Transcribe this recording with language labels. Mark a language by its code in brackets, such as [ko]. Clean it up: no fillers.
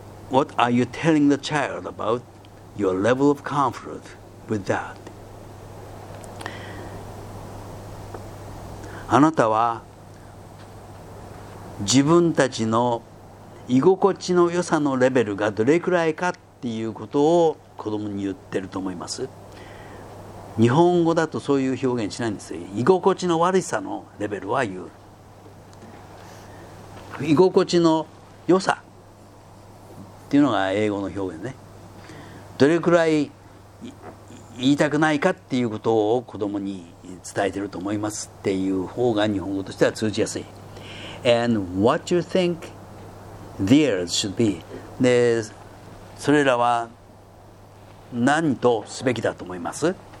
[en] What are you telling the child about your level of comfort with that? [ja] あなたは自分たちの居心地の良さのレベルがどれくらいかっていうことを子供に言ってると思います。日本語だとそういう表現しないんですよ。居心地の悪さのレベルは言う。居心地の良さっていうのが英語の表現ね。どれくらい言いたくないかっていうことを子供に伝えてると思いますっていう方が日本語としては通じやすい。 [en] And what you thinkTheirs should be. [ja] で、それらは何とすべきだと思います？